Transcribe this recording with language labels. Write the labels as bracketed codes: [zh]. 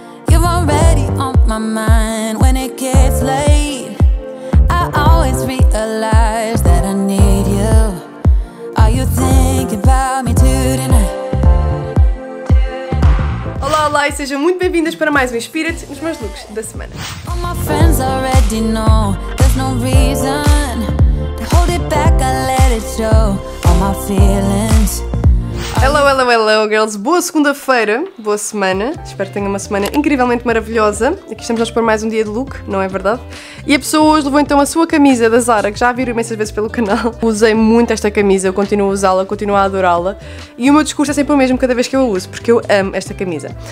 [en] You're already on my mind. When it gets late, I always realize that I need you. Are you thinking about me too tonight? [pt] Olá, olá e sejam muito bem-vindas para mais um Inspira-te nos meus looks da semana. [en] All my friends already know there's no reason to hold it back, I let it show all my feelings. Hello, hello, hello, girls. [pt] Boa segunda-feira, boa semana. Espero que tenha uma semana incrivelmente maravilhosa. Aqui estamos nós para mais um dia de look, não é verdade? E a pessoa hoje levou então a sua camisa da Zara, que já a viram imensas vezes pelo canal. Usei muito esta camisa, eu continuo a usá-la, continuo a adorá-la. E o meu discurso é sempre o mesmo cada vez que eu a uso, porque eu amo esta camisa.